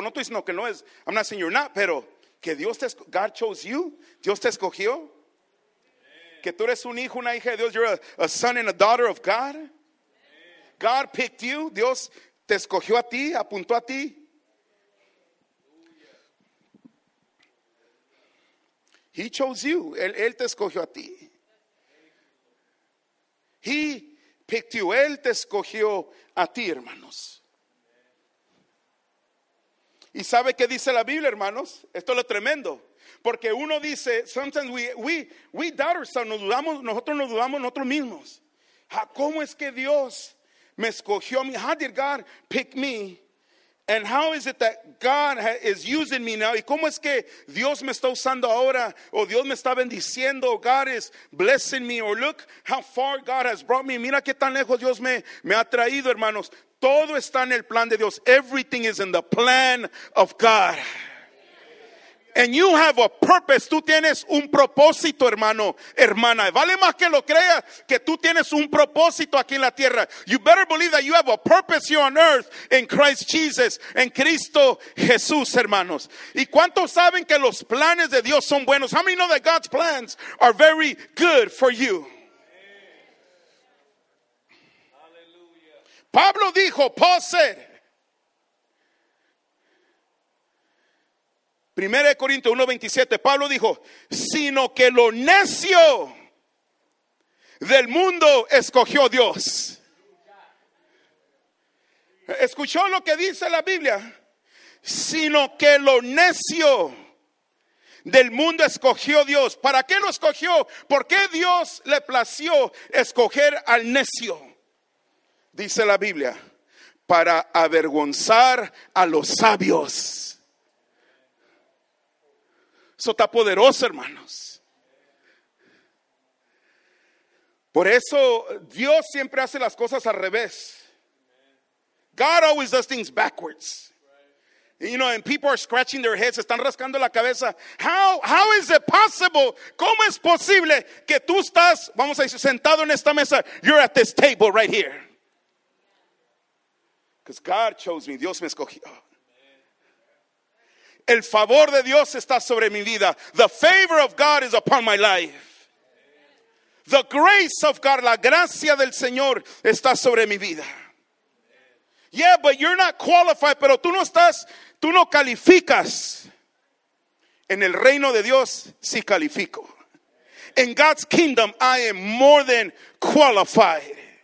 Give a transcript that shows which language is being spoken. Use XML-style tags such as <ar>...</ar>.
<es>No estoy diciendo que no es.</es> <en>I'm not saying you're not.</en> <es>Pero que Dios te escogió.</es> <en>God chose you.</en> <es>Dios te escogió. Amen. Que tú eres un hijo, una hija de Dios.</es> <en>You're a son and a daughter of God. God picked you.</en> <es>Dios te escogió a ti, apuntó a ti.</es> <en>He chose you.</en> <es>Él te escogió a ti.</es> <en>He picked you.</en> <es>Él te escogió a ti, hermanos. ¿Y sabe qué dice la Biblia, hermanos? Esto es lo tremendo. Porque uno dice,</es> <en>sometimes we doubt ourselves.</en> <es>Nosotros nos dudamos nosotros mismos. ¿Cómo es que Dios me escogió a mí?</es> <en>How did God pick me? And how is it that God is using me now?</en> <es>¿Y cómo es que Dios me está usando ahora? O Dios me está bendiciendo.</es> <en>O God is blessing me. Or look how far God has brought me.</en> <es>Mira qué tan lejos Dios me ha traído, hermanos. Todo está en el plan de Dios.</es> <en>Everything is in the plan of God. And you have a purpose.</en> <es>Tú tienes un propósito, hermano, hermana. Vale más que lo creas que tú tienes un propósito aquí en la tierra.</es> <en>You better believe that you have a purpose here on earth in Christ Jesus,</en> <es>en Cristo Jesús, hermanos. ¿Y cuántos saben que los planes de Dios son buenos?</es> <en>How many know that God's plans are very good for you? Hallelujah.</en> <es>Pablo dijo,</es> <en>Paul said,</en> <es>1 Corintios 1:27, Pablo dijo, sino que lo necio del mundo escogió Dios. ¿Escuchó lo que dice la Biblia? Sino que lo necio del mundo escogió Dios. ¿Para qué lo escogió? ¿Por qué Dios le plació escoger al necio? Dice la Biblia, para avergonzar a los sabios. Eso está poderoso, hermanos. Por eso Dios siempre hace las cosas al revés.</es> <en>God always does things backwards. You know, and people are scratching their heads,</en> <es>están rascando la cabeza.</es> <en>How is it possible?</en> <es>¿Cómo es posible que tú estás, vamos a decir, sentado en esta mesa?</es> <en>You're at this table right here. Because God chose me.</en> <es>Dios me escogió. El favor de Dios está sobre mi vida.</es> <en>The favor of God is upon my life. The grace of God,</en> <es>la gracia del Señor está sobre mi vida.</es> <en>Yeah, but you're not qualified,</en> <es>pero tú no calificas. En el reino de Dios sí califico.</es> <en>In God's kingdom I am more than qualified.</en>